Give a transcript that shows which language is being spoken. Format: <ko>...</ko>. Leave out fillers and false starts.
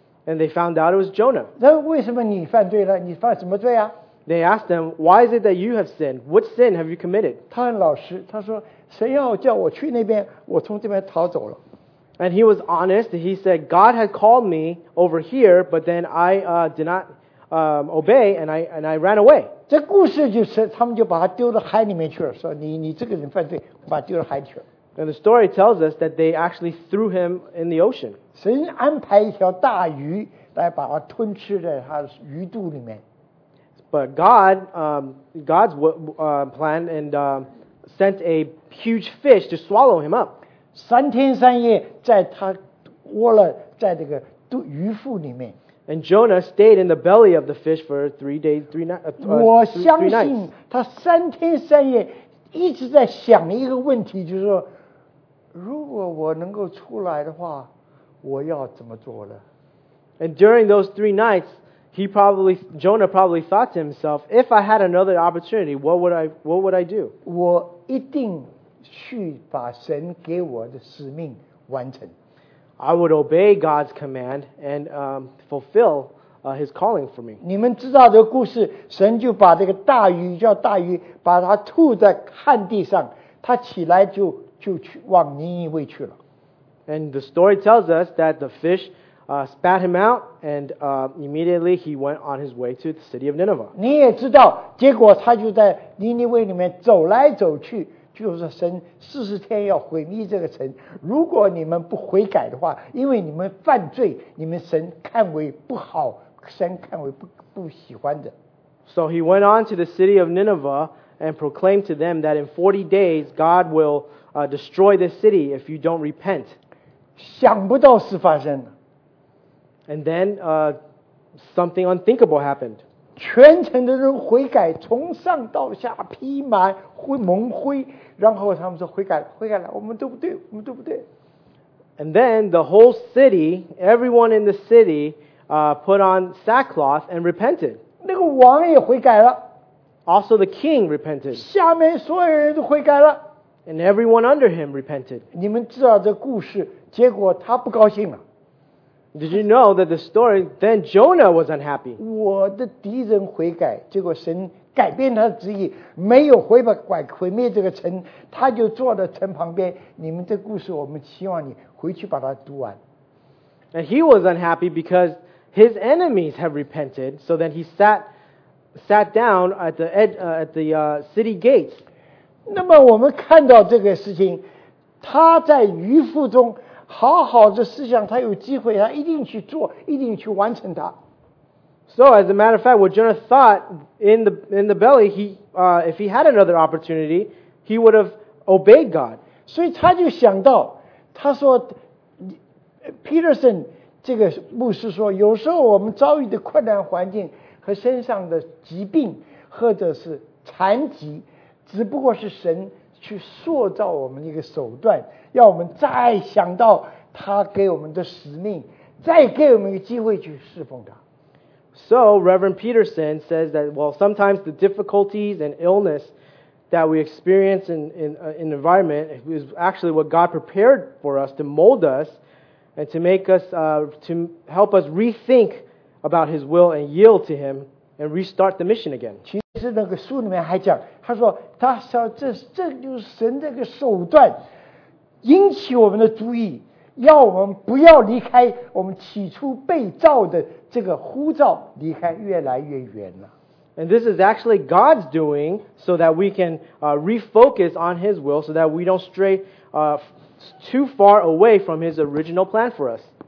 <en>and they found out it was Jonah.</en> <zh>那为什么你犯罪了？你犯什么罪啊？</zh> <en>They asked him, "Why is it that you have sinned? What sin have you committed?"</en> <zh>他很老实，他说，谁要叫我去那边，我从这边逃走了。</zh> <en>And he was honest. He said, "God had called me over here, but then I did not." Obey, and I ran away.</en> <zh>这故事就是他们就把他丢到海里面去了，说你这个人犯罪，把他丢到海里去了。</zh> <en>And the story tells us that they actually threw him in the ocean.</en> <zh>神安排一条大鱼来把他吞吃在他的鱼肚里面。</zh> <en>But God, God's plan and sent a huge fish to swallow him up.</en> <zh>三天三夜在他窝了在这个鱼腹里面。</zh> <en>And Jonah stayed in the belly of the fish for 3 days, three nights.</en> <zh>我相信他三天三夜一直在想一个问题，就是说，如果我能够出来的话，我要怎么做呢？</zh> <en>And during those three nights, Jonah probably thought to himself, "If I had another opportunity, what would I do?"</en> <zh>我一定去把神给我的使命完成。</zh> <en>I would obey God's command and fulfill his calling for me.</en> <zh>你们知道这个故事，神就把这个大鱼叫大鱼，把它吐在旱地上，它起来就去往尼尼微去了。</zh> <en>And the story tells us that the fish spat him out, and immediately he went on his way to the city of Nineveh.</en> <zh>你也知道，结果他就在尼尼微里面走来走去。就是神四十天要毁灭这个城，如果你们不悔改的话，因为你们犯罪，你们神看为不好，神看为不喜欢的。</zh> <en>So he went on to the city of Nineveh and proclaimed to them that in 40 days God will destroy the city if you don't repent.</en> <zh>想不到事发生了。</zh> <en>And then something unthinkable happened.</en> <zh>全城的人悔改，从上到下披麻蒙灰。然后他们说悔改了，悔改了，我们都不对，我们都不对。</zh> <en>And then the whole city, everyone in the city, put on sackcloth and repented.</en> <zh>那个王也悔改了。</zh> <en>Also the king repented.</en> <zh>下面所有人都悔改了。</zh> <en>And everyone under him repented.</en> <zh>你们知道这故事，结果他不高兴了。</zh> <en>Did you know that the story, then Jonah was unhappy.</en> <zh>我的敌人悔改，结果神改变他的旨意，没有回吧，拐毁灭这个城，他就坐在城旁边。你们这故事，我们希望你回去把它读完。</zh> <en>And he was unhappy because his enemies have repented, so then he sat down at the city gates.</en> <zh>那么我们看到这个事情，他在鱼腹中好好的思想，他有机会，他一定去做，一定去完成它。</zh> <en>So as a matter of fact, what Jonah thought in the belly, if he had another opportunity, he would have obeyed God.</en> <zh>所以他就想到，他说 ，Peterson 这个牧师说，有时候我们遭遇的困难环境和身上的疾病或者是残疾，只不过是神去塑造我们的一个手段，要我们再想到他给我们的使命，再给我们一个机会去侍奉他。</zh> <en>So Reverend Peterson says that well, sometimes the difficulties and illness that we experience in environment is actually what God prepared for us to mold us and to make us to help us rethink about His will and yield to Him and restart the mission again.</en> <zh>其实那个书里面还讲，他说他说这就是神这个手段，引起我们的注意，要我们不要离开我们起初被造的这个呼召，离开越来越远了。</zh> <en>And this is actually God's doing so that we can refocus on His will so that we don't stray too far away from His original plan for us.</en>